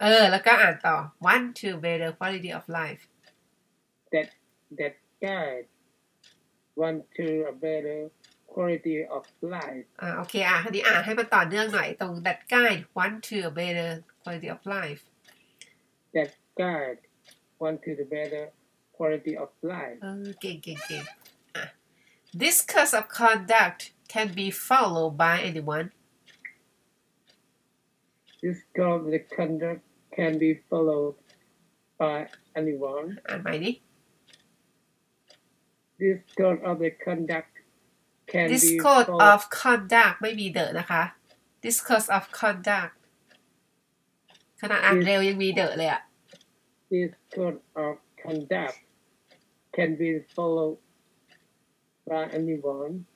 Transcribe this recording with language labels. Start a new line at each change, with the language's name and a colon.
Thai: แล้วก็อ่านต่อ
English: one to a better quality of life that guideone to a better quality of life
Thai: โอเคอ่ะดีอ่ะให้มันต่อเนื่องหน่อยตรง
English: that guide one to a better quality of life that guide one to the better quality of life
Thai: เก่ง
English: this course of conduct can be followed by anyone this course of conduct can be followed by anyone This code of the conduct can This be followed. This code of conduct
Thai: ไม่มีเดอะนะคะ This code of conduct ขนาดอ่านเร็วยังมีเดอะเลยอ่ะ
English: This code of conduct can be followed by anyone